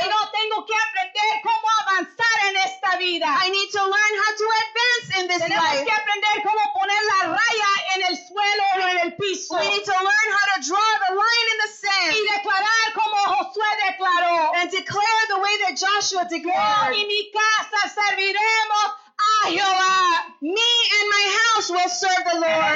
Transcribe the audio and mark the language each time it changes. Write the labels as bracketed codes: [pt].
[es] Sino tengo que aprender cómo avanzar en esta vida. [en] I need to learn how to advance in this [es] tenemos [en] life. [es] Que aprender cómo poner la raya en el suelo o en el piso. [en] We need to learn how to draw the line in the sand. [es] Y declarar como Josué declaró. [en] And declare the way that Joshua declared. [es] Yo y mi casa serviremos a Jehová. [en] Me and my house will serve the Lord.